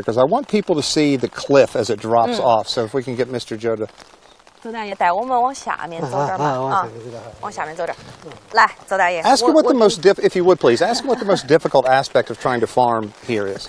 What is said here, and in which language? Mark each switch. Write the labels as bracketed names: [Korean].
[English] Because I want people to see the cliff as it drops off. So if we can get Mr. Joe to... [Chinese] 周大爷，带我们往下面走点儿吧。 [English] Ask him what the most if you would please. Ask him what the most difficult aspect of trying to farm here is.